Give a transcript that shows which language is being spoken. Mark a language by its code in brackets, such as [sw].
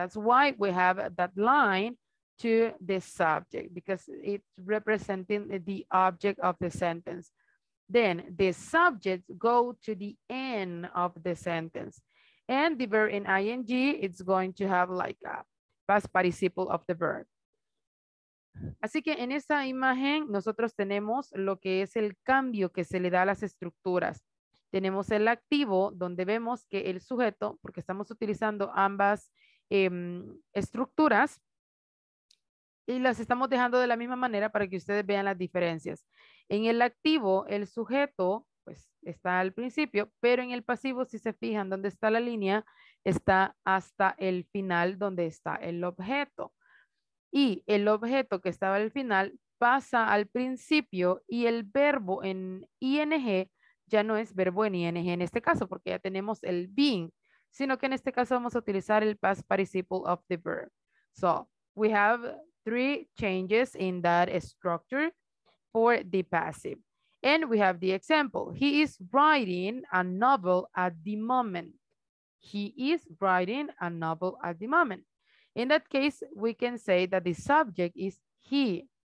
[en] That's why we have that line to the subject, because it's representing the object of the sentence. Then the subjects go to the end of the sentence, and the verb in ing, it's going to have like a past participle of the verb. [es] Así que en esta imagen nosotros tenemos lo que es el cambio que se le da a las estructuras. Tenemos el activo, donde vemos que el sujeto, porque estamos utilizando ambas estructuras, y las estamos dejando de la misma manera para que ustedes vean las diferencias. En el activo, el sujeto pues está al principio, pero en el pasivo, si se fijan dónde está la línea, está hasta el final donde está el objeto. Y el objeto que estaba al final pasa al principio, y el verbo en ing ya no es verbo en ing en este caso, porque ya tenemos el being, sino que en este caso vamos a utilizar el [en] past participle of the verb. So, we have three changes in that structure for the passive. And we have the example. He is writing a novel at the moment. He is writing a novel at the moment. In that case, we can say that the subject is he.